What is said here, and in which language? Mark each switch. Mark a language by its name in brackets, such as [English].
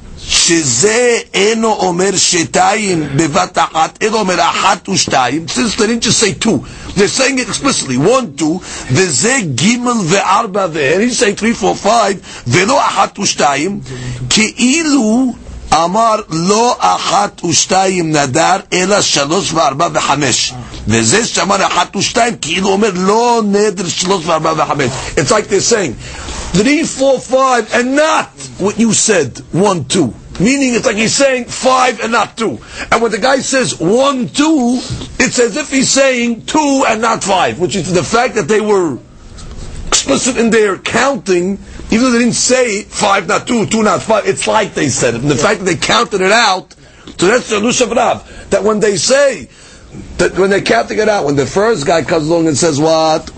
[Hebrew] שזה אינו אומר שתיים בבת אחת, אינו אומר אחת ושתיים. [English] Since they didn't just say two, they're saying it explicitly. One, two, [Hebrew] וזה גימל וארבע, [English] and he's saying three, four, five, [Hebrew] ולא אחת ושתיים, כאילו אמר לא אחת ושתיים נדר, אלא שלוש וארבע וחמש. וזה שאמר אחת ושתיים, כאילו אומר לא נדר שלוש וארבע וחמש. [English] It's like they're saying, three, four, five, and not what you said, one, two. Meaning it's like he's saying five and not two. And when the guy says one, two, it's as if he's saying two and not five, which is the fact that they were explicit in their counting, even though they didn't say five, not two, two, not five, it's like they said it. And the fact that they counted it out, so that's the Lush of Rav, that when they say, that when they're counting it out, when the first guy comes along and says what?